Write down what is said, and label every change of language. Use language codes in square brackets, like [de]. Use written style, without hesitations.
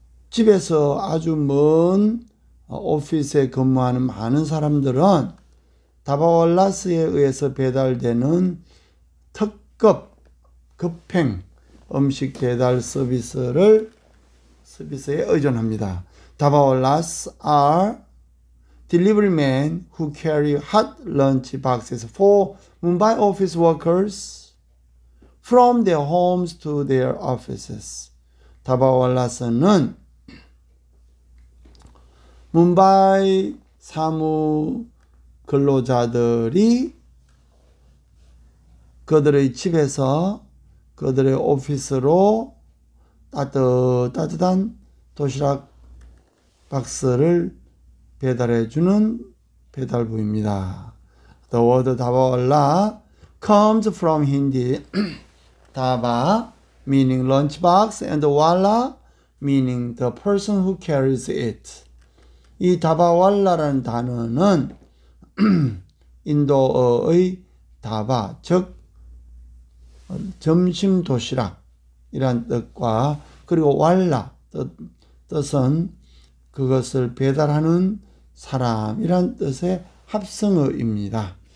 [ko] 집에서 아주 먼 오피스에 근무하는 많은 사람들은 다바올라스에 의해서 배달되는 특급 급행 음식 배달 서비스에 의존합니다. [en] 다바올라스 are delivery men who carry hot lunch boxes for Mumbai office workers from their homes to their offices. [ko] 다바올라스는 뭄바이 사무 근로자들이 그들의 집에서 그들의 오피스로 따뜻한 도시락 박스를 배달해 주는 배달부입니다. [en] The word Dabawala comes from Hindi. Daba, meaning lunch box, and Wala, meaning the person who carries it. [ko] 이 다바왈라라는 단어는 인도어의 다바, 즉 점심 도시락이란 뜻과 그리고 왈라 뜻은 그것을 배달하는 사람이란 뜻의 합성어입니다.